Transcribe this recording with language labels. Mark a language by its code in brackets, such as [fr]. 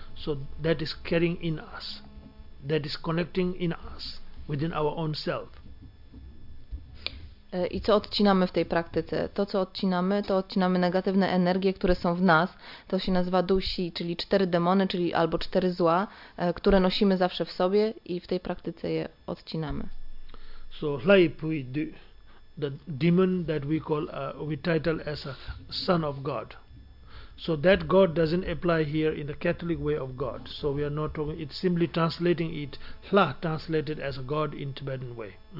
[en] So that is carrying in us, that is connecting in us within our own self. [pl] I co odcinamy w tej praktyce? To, co odcinamy, to odcinamy negatywne energie, które są w nas. To się nazywa dusi, czyli cztery demony, czyli albo cztery zła, które nosimy zawsze w sobie i w tej praktyce je odcinamy. [en] So laipui the demon that we call we title as a son of God. So that God doesn't apply here in the Catholic way of God. So we are not talking, it's simply translating it, hla translated as a God in Tibetan way.